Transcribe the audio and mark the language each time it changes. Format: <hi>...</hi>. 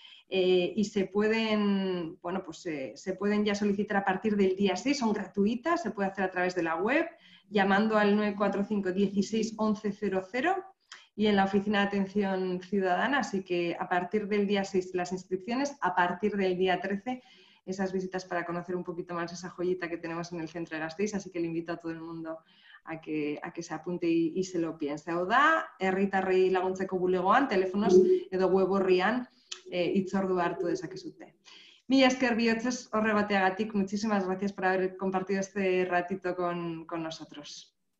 <es>Y se pueden, bueno, pues se pueden ya solicitar a partir del día 6, son gratuitas, se puede hacer a través de la web, llamando al 945 16 11 00. y en la Oficina de Atención Ciudadana, así que a partir del día 6 las inscripciones, a partir del día 13 esas visitas para conocer un poquito más esa joyita que tenemos en el centro de Gasteiz, así que le invito a todo el mundo a que se apunte y se lo piense.</es> <eu>Hau da, herritarrei laguntzeko bulegoan, telefonoz edo web horrian itzordu hartu dezakezute. Mila esker bihotzez horre bateagatik,</eu> <es>muchísimas gracias por haber compartido este ratito con nosotros.</es>